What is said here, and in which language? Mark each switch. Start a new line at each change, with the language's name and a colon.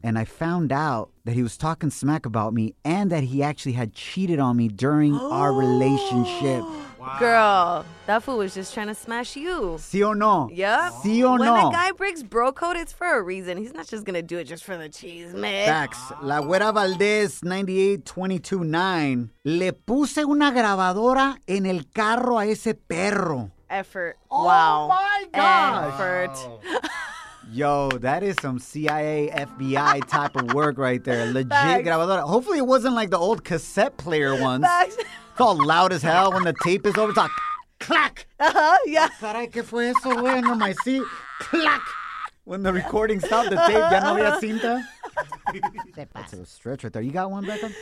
English: And I found out that he was talking smack about me and that he actually had cheated on me during our relationship. Wow. Girl, that fool was just trying to smash you.
Spanish: Si o no?
English: Yep.
Spanish: Si o
English: when
Spanish: no?
English: When a guy breaks bro code, it's for a reason. He's not just going to do it just for the cheese, man. Facts. La Güera Valdez, 98229.
Spanish: Le puse una grabadora en el carro a ese perro.
English: Effort. Oh, wow. Oh, my gosh. Effort. Yo, that is some CIA, FBI type of work right there. Legit Facts.
Spanish: Grabadora.
English: Hopefully it wasn't like the old cassette player ones. Facts. It's all loud as hell when the tape is over. It's like, clack.
Spanish: Caray,
English: ¿qué fue eso, güey? No, my seat. Clack. When the recording stopped, the tape, ya no había cinta. That's a stretch right there. You got one, Becca?